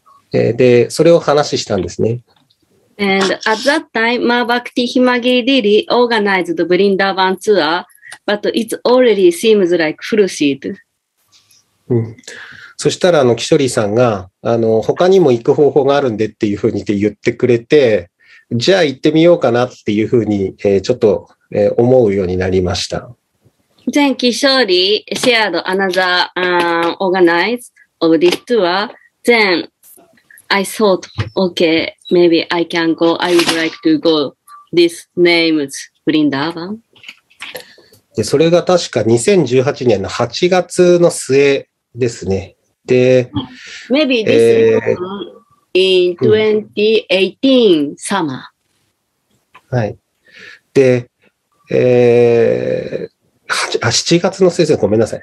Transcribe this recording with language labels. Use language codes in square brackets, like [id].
[ja] で、それを話したんですね。 [en] And at that time, Ma Bhakti Himagiri Didi organized ブリンダーバンツアー、but it already seems like full seat. [ja] うん。そしたら、キショリーさんが、他にも行く方法があるんでっていうふうに言ってくれて、じゃあ行ってみようかなっていうふうに、ちょっと、思うようになりました。 [en] Then Kishori shared another, organized of this tour. Then I thought, okay, maybe I can go. I would like to go. This name is Vrindavan. [ja] で、それが確か2018年の8月の末ですね。で、 [en] Maybe this one in 2018 summer. [ja] はい。で、7月の末ですね。ごめんなさい。